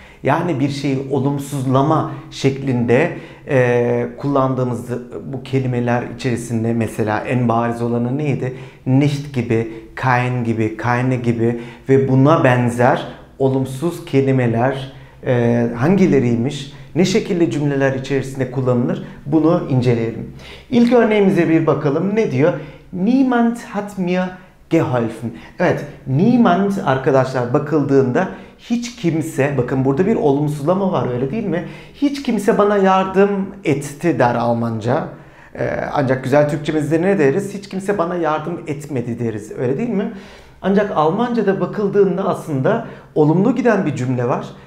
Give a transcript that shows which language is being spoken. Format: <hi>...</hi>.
<tr>Yani bir şeyi olumsuzlama şeklinde kullandığımız bu kelimeler içerisinde mesela en bariz olanı neydi? Nicht gibi, kein gibi, keine gibi ve buna benzer olumsuz kelimeler hangileriymiş, ne şekilde cümleler içerisinde kullanılır bunu inceleyelim. İlk örneğimize bir bakalım. Ne diyor?</tr> <de>Niemand hat mir geholfen.</de> <tr>Evet, niemand arkadaşlar bakıldığında hiç kimse, bakın burada bir olumsuzlama var öyle değil mi? Hiç kimse bana yardım etti der Almanca. Ancak güzel Türkçemizde ne deriz? Hiç kimse bana yardım etmedi deriz öyle değil mi? Ancak Almanca'da bakıldığında aslında olumlu giden bir cümle var.</tr>